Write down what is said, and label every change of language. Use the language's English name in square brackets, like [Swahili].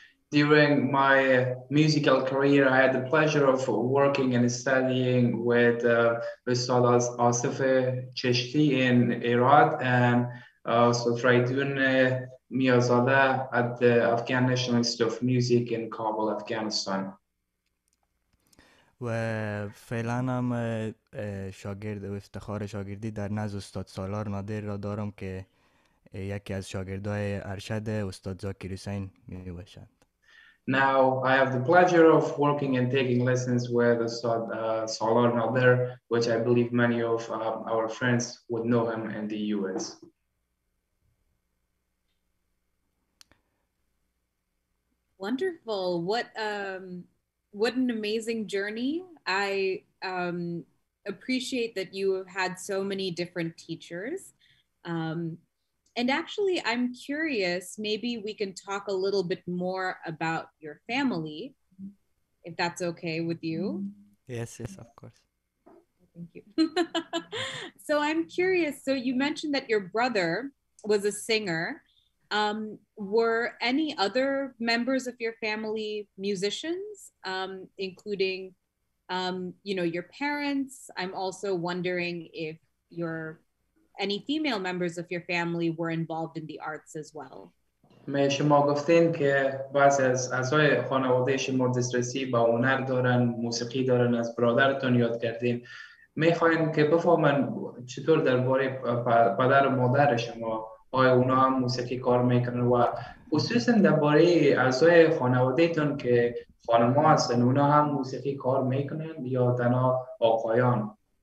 [English] During my musical career I had the pleasure of working and studying with Ustad Asif Chishti in ایراد and Ustad Faridin Miazada at the Afghan National Institute of Music in Kabul, Afghanistan. [Persian] و فعلا هم شاگرد و افتخار شاگردی در نزد استاد سالار نادر را دارم که یکی از شاگردای ارشد استاد زاکر حسین میباشد. [English] Now I have the pleasure of working and taking lessons with Ustad Salar Nader, which I believe many of our friends would know him in the US. Wonderful. What an amazing journey. I appreciate that you have had so many different teachers. And actually, I'm curious, maybe we can talk a little bit more about your family, if that's okay with you. Yes, of course. Thank you. So I'm curious, so you mentioned that your brother was a singer. Were any other members of your family musicians, including, you know, your parents? I'm also wondering if any female members of your family were involved in the arts as well. [Persian] شما گفتین که بعضی از اعضای خانواده شما دسترسی به هنر دارن، موسیقی دارن، از برادرتون یاد کردین. می خواهیم که بفهمم چطور درباره پدر و مادر شما آیا اونا هم موسیقی کار میکنن و خصوصا درباره اعضای خانوادهتون که خانم‌ها هستن اونا هم موسیقی کار میکنن یا تنها آقایان؟